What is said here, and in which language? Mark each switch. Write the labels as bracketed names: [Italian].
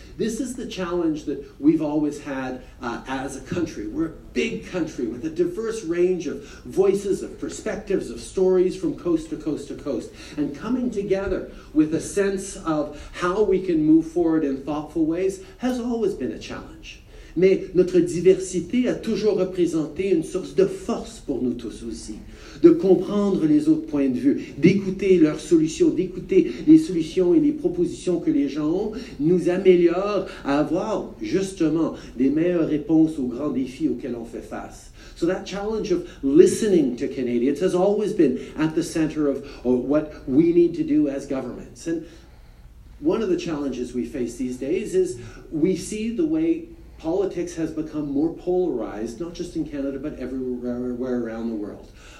[English] This is the challenge that we've always had as a country. We're a big country with a diverse range of voices, of perspectives, of stories from coast to coast to coast. And coming together with a sense of how we can move forward in thoughtful ways has always been a challenge. [French] Mais notre diversité a toujours représenté une source de force pour nous tous aussi. de comprendre les autres points de vue, d'écouter leurs solutions, d'écouter les solutions et les propositions que les gens ont, nous améliore à avoir justement des meilleures réponses aux grands défis auxquels on fait face. [English] So that challenge of listening to Canadians has always been at the center of what we need to do as governments. And one of the challenges we face these days is we see the way politics has become more polarized, not just in Canada, but everywhere around the world.